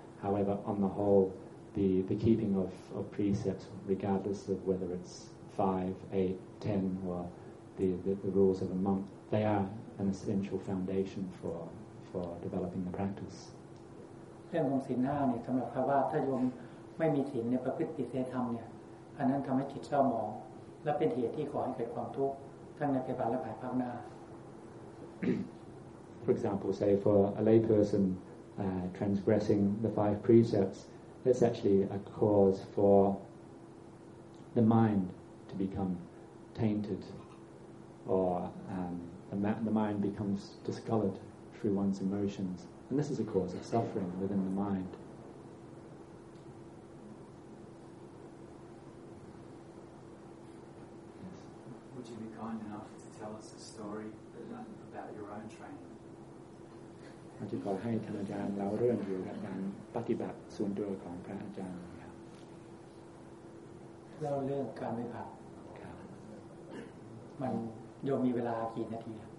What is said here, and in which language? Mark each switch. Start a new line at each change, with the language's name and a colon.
English: However, on the whole, the keeping of precepts, regardless of whether it's 5, 8, 10 or the rules of a monk, they are an essential foundation for developing the practice.
Thai: เรื่องของศีลห้าเนี่ยสำหรับพระว่าถ้าโยมไม่มีศีลเนี่ยประพฤติผิดศีลธรรมเนี่ยอันนั้นทำให้จิตเศร้าหมองและเป็นเหตุที่ก่อให้เกิดความทุกข์ทั้งในปัจจุบันและภายภาคหน้า
English: For example, say for a lay person transgressing the 5 precepts, that's actually a cause for the mind to become tainted, or the mind becomes discolored through one's emotions, and this is a cause of suffering within the mind. Would you be kind enough to tell us a story about your own training?
Thai: เราจะขอให้ท่านอาจารย์เล่าเรื่องเกี่ยวกับการปฏิบัติส่วนตัวของพระอาจารย์ครับ เล่าเรื่องการไม่ผักมันโยมมีเวลากี่นาที